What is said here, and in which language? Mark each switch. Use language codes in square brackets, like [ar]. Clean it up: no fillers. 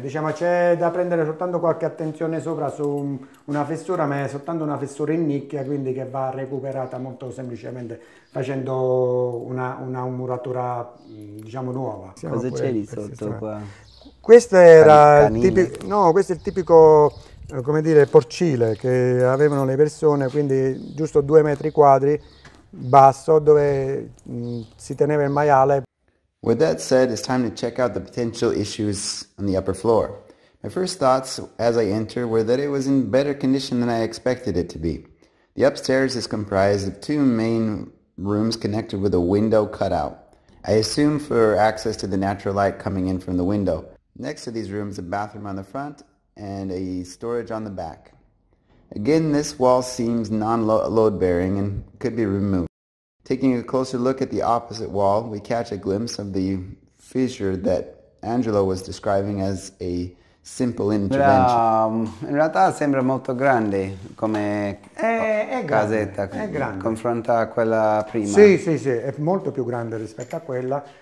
[it] Diciamo, c'è da prendere soltanto qualche attenzione sopra su una fessura, ma è soltanto una fessura in nicchia, quindi che va recuperata molto semplicemente facendo una muratura, diciamo, nuova. Siamo cosa c'è di sotto qua? Questo era questo è il tipico, come dire, porcile che avevano le persone, quindi giusto 2 metri quadri basso dove si teneva il maiale. [en] With that said, it's time to check out the potential issues on the upper floor. My first thoughts as I enter were that it was in better condition than I expected it to be. The upstairs is comprised of 2 main rooms connected with a window cutout. I assume for access to the natural light coming in from the window. Next to these rooms, a bathroom on the front and a storage on the back. Again, this wall seems non-load-bearing and could be removed. Taking a closer look at the opposite wall, we catch a glimpse of the fissure that Angelo was describing as a simple intervention. [it] In realtà sembra molto grande come casetta, confronta a quella prima. Sì, è molto più grande rispetto a quella.